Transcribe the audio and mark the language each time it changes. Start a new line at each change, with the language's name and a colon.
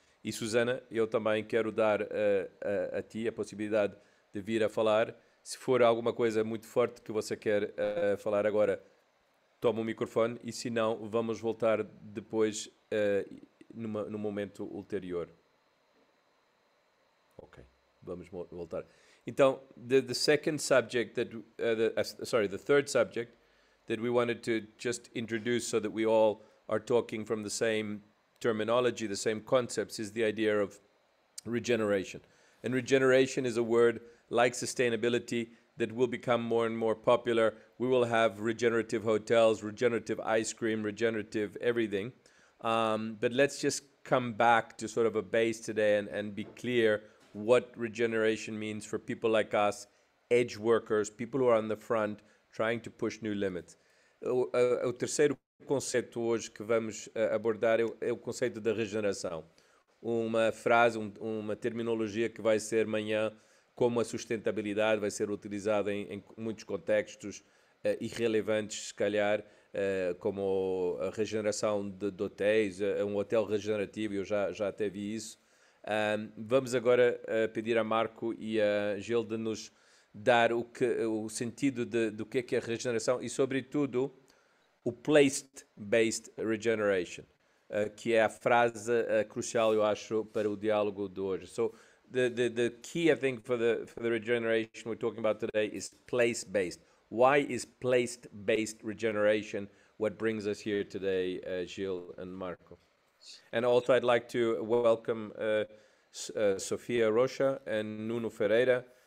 Portuguese: E Susana, eu também quero dar a ti a possibilidade de vir a falar. Se for alguma coisa muito forte que você quer falar agora, toma o microfone e, se não, vamos voltar depois num momento ulterior. Ok, vamos voltar.
English: Então, the second subject that, the third subject that we wanted to just introduce so that we all are talking from the same terminology, the same concepts, is the idea of regeneration. And regeneration is a word like sustainability that will become more and more popular. We will have regenerative hotels, regenerative ice cream, regenerative everything. But let's just come back to sort of a base today and be clear what regeneration means for people like us, edge workers, people who are on the front trying to push new limits.
Portuguese: O terceiro conceito hoje que vamos abordar é o conceito da regeneração. Uma frase, uma terminologia que vai ser amanhã como a sustentabilidade, vai ser utilizada em muitos contextos irrelevantes, se calhar, como a regeneração de hotéis, um hotel regenerativo, eu já até vi isso. Vamos agora pedir a Marco e a Gil de nos dar o sentido do que é a regeneração e, sobretudo, o place-based regeneration, que é a frase crucial, eu acho, para o diálogo de hoje.
English: So, the key, I think, for the regeneration we're talking about today is place-based. Why is place-based regeneration what brings us here today, Gil and Marco? And also, I'd like to welcome Sofia Rocha and Nuno Ferreira.